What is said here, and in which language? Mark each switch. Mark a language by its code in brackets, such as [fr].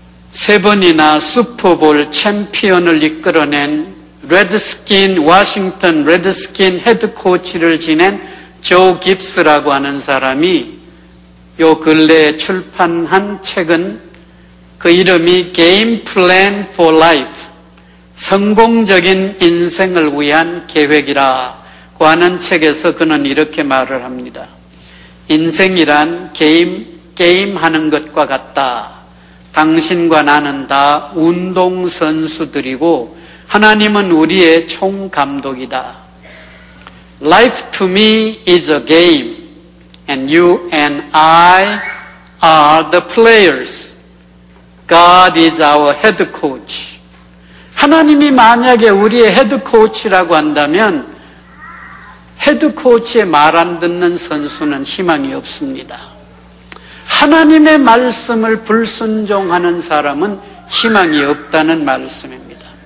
[ko] 세 번이나 슈퍼볼 챔피언을 이끌어낸 레드스킨, 워싱턴 레드스킨 헤드코치를 지낸 조 깁스라고 하는 사람이 요 근래에 출판한 책은 그 이름이 게임 플랜 포 라이프, 성공적인 인생을 위한 계획이라고 하는 책에서 그는 이렇게 말을 합니다. 인생이란 게임하는 것과 같다. 당신과 나는 다 운동선수들이고 하나님은 우리의 총감독이다. [en] Life to me is a game and you and I are the players. God is our head coach. [ko] 하나님이 만약에 우리의 헤드코치라고 한다면 헤드코치의 말 안 듣는 선수는 희망이 없습니다. 하나님의 말씀을 불순종하는 사람은 희망이 없다는 말씀입니다.